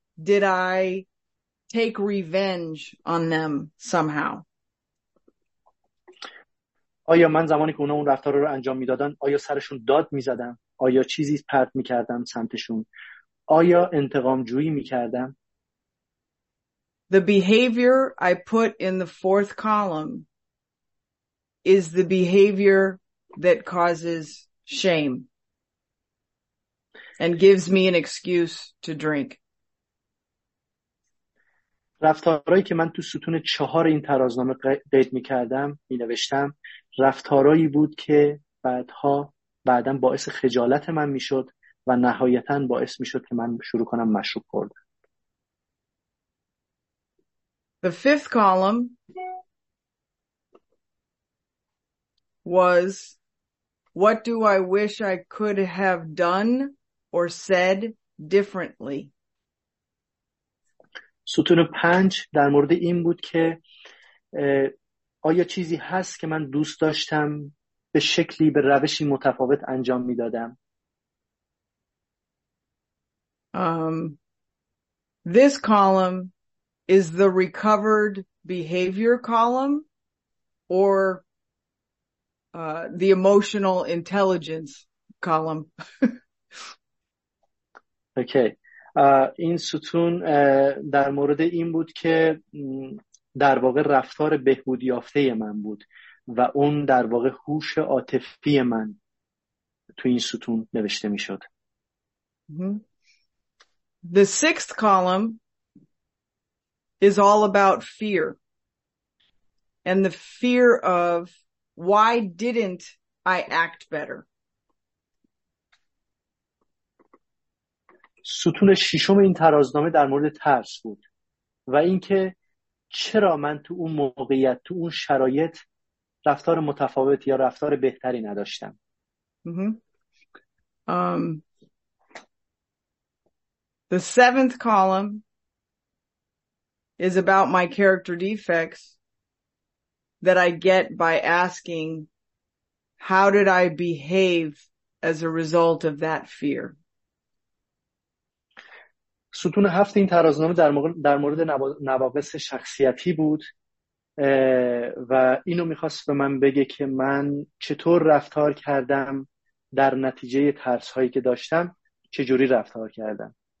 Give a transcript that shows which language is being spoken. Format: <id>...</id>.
<en>Did I take revenge on them somehow?</en> <fa>آیا من زمانی که اونا اون رفتار رو انجام میدادن، آیا سرشون داد میزدم؟ آیا چیزی پرت میکردم سمتشون؟ آیا انتقام جویی میکردم؟</fa> <en>The behavior I put in the fourth column is the behavior that causes shame and gives me an excuse to drink.</en> <fa>رفتارهایی که من تو ستون چهار این ترازنامه قید میکردم، مینوشتم، رفتارهایی بود که بعدن باعث خجالت من میشد و نهایتاً باعث میشد که من شروع کنم مشروب خوردن.</fa> <en>The fifth column was what do I wish I could have done or said differently.</en> <fa>ستون پنج در مورد این بود که آیا چیزی هست که من دوست داشتم به شکلی به روشی متفاوت انجام میدادم.</fa> <en>This column is the recovered behavior column or the emotional intelligence column. Okay.</en> <fa>این ستون در مورد این بود که در واقع رفتار بهبود یافته من بود و اون در واقع هوش عاطفی من تو این ستون نوشته میشد.</fa> <en>The sixth column is all about fear and the fear of why didn't I act better.</en> <fa>ستون ششم این ترازنامه در مورد ترس بود و اینکه چرا من تو اون موقعیت تو اون شرایط رفتار متفاوت یا رفتار بهتری نداشتم.</fa> <en>The seventh column is about my character defects that I get by asking how did I behave as a result of that fear.</en> <fa>ستون هفت این ترازنامه در مورد نواقص شخصیتی بود و اینو میخواست به من بگه که من چطور رفتار کردم در نتیجه ترس هایی که داشتم، چجوری رفتار کردم.</fa>